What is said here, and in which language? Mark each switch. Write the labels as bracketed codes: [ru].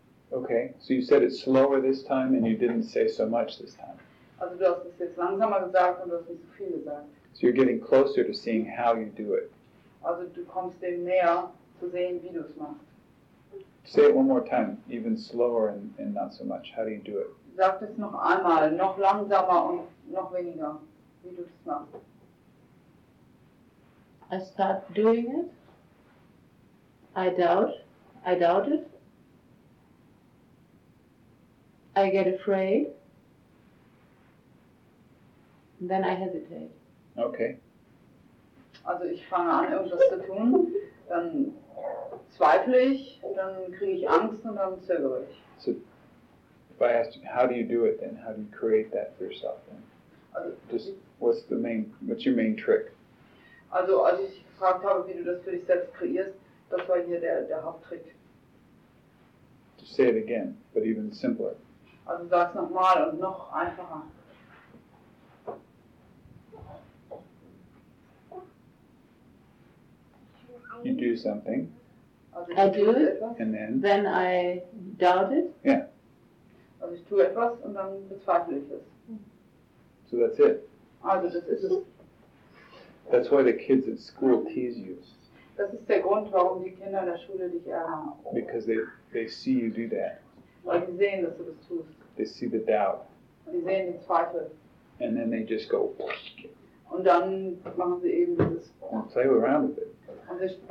[en] Okay, so you said it's slower this time and you didn't say so much this time. [de] Also du hast es jetzt langsamer gesagt und du hast nicht so viel gesagt. [en] So you're getting closer to seeing how you do it. [de] Also du kommst dem näher zu sehen, wie du es machst. [en] Say it one more time, even slower and not so much. How do you do it? [de] Sag das noch einmal, noch langsamer und noch weniger, wie du es machst. [en] I start doing it. I doubt it. I get afraid. Then I hesitate. Okay. [de] Also ich fange an, irgendwas zu tun, dann zweifle ich, dann kriege ich Angst und dann zögere ich. [en] So, if I asked you, how do you do it then? How do you create that for yourself then? [de] Also, [en] just, what's your main trick? [de] Also als ich gefragt habe, wie du das für dich selbst kreierst, das war hier der Haupttrick. [en] Just say it again, but even simpler. [de] Also sag's nochmal und noch einfacher. [en] You do something. I do it, and then I doubt it. Yeah. [de] Also ich tue etwas und dann bezweifle ich es. [en] So that's it. [de] Also das ist es. [en] That's why the kids at school tease you. [de] Das ist der Grund, warum die Kinder in der Schule dich ärgern. [en] Because they see you do that. [de] Weil sie sehen, dass du das tust. [en] They see the doubt. [de] Sie sehen den Zweifel. [en] And then they just go. [de] Und dann machen sie eben dieses. [en] And play around with it.